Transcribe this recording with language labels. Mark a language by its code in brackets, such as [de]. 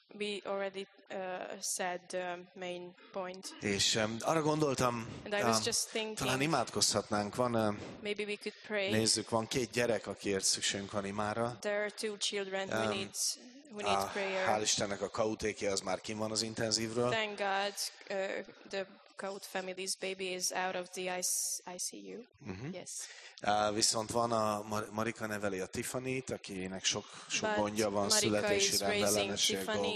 [en] We already said the main point. [hu] És arra gondoltam, talán imádkozhatnánk. Van, [en] maybe we could pray. [hu] Nézzük, van két gyerek, akiért szükségünk van imára. [en] There are two children who need prayer. [hu] Hál' Istennek a kautéki az már kim van az intenzívről. [en] Thank God, the Kaut family's baby is out of the ICU. Mm-hmm. Yes. [hu] Viszont van a Marika neveli a Tiffany-t, akinek sok gondja van, születési rendellenesség.